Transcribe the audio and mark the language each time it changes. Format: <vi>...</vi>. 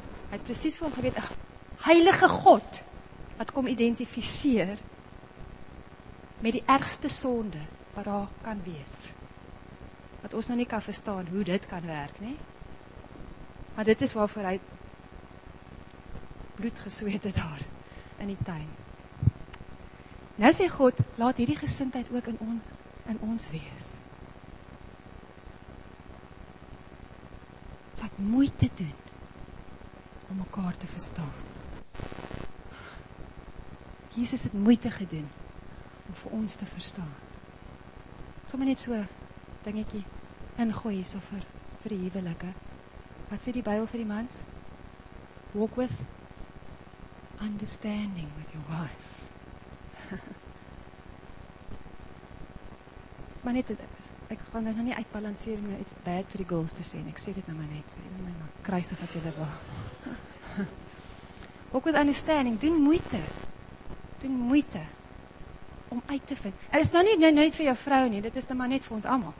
<af>Hy het precies vir hom geweet, heilige God, wat kom identificeer met die ergste sonde wat daar kan wees. Wat ons nou nie kan verstaan hoe dit kan werk, nie? Maar dit is waarvoor hy bloed gesweet het daar in die tuin. Nou sê God, laat hierdie gesindheid ook in ons wees. Wat moeite doen om mekaar te verstaan. Jesus het moeite gedoen om vir ons te verstaan. Sommige net so dingetjie ingooi so vir die huwelike. Wat sê die Bybel vir die mans?</af> <en>Walk with understanding with your wife.</en> <af>Dis maar net, ek gaan nou nie uitbalanceer om nou iets bad vir die girls te sê. Ek sê dit nou maar net. So, nie maar kruisig as julle wil.</af> <en>Walk with understanding.</en> <af>Doen moeite om uit te vind. Er is nou nie vir jou vrou nie, dit is nou maar net vir ons allemaal.</af>